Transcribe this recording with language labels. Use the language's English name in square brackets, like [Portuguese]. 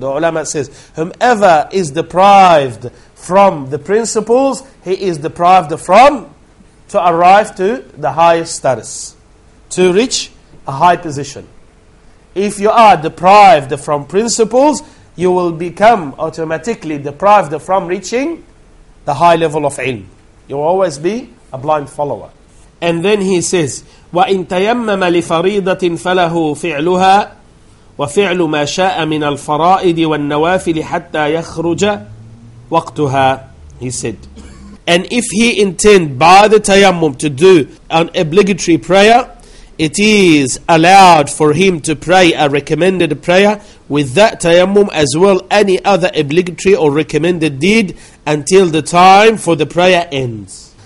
[English] The ulama says, whomever is deprived from the principles, he is deprived from to arrive to the highest status, to reach a high position. If you are deprived from principles, you will become automatically deprived from reaching the high level of ilm. You will always be a blind follower. And then he says, [Arabic] وَإِن تَيَمَّمَ لِفَرِيضَةٍ فَلَهُ فِعْلُهَا وَفِعْلُ مَا شَاءَ مِنَ الْفَرَائِدِ وَالنَّوَافِلِ حَتَّى يَخْرُجَ وَقْتُهَا. [English] He said, and if he intend by the tayammum to do an obligatory prayer, it is allowed for him to pray a recommended prayer with that tayammum as well any other obligatory or recommended deed until the time for the prayer ends.